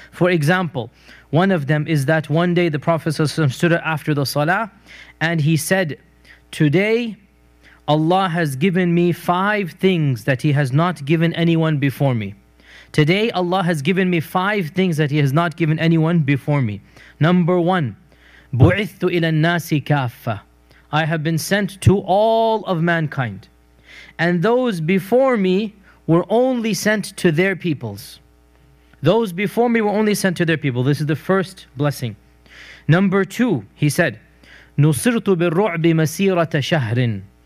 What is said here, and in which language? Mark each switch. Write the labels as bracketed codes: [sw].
[en] For example, one of them is that one day the Prophet ﷺ stood up after the salah and he said, today Allah has given me five things that He has not given anyone before me. Today Allah has given me five things that He has not given anyone before me. Number one, [ar] بُعِثْتُ إِلَى النَّاسِ كَافَّةً. [en] I have been sent to all of mankind. And those before me were only sent to their peoples. Those before me were only sent to their people. This is the first blessing. Number two, he said, [ar] نُصِرْتُ بِالرُّعْبِ مَسِيرَةَ شَهْرٍ.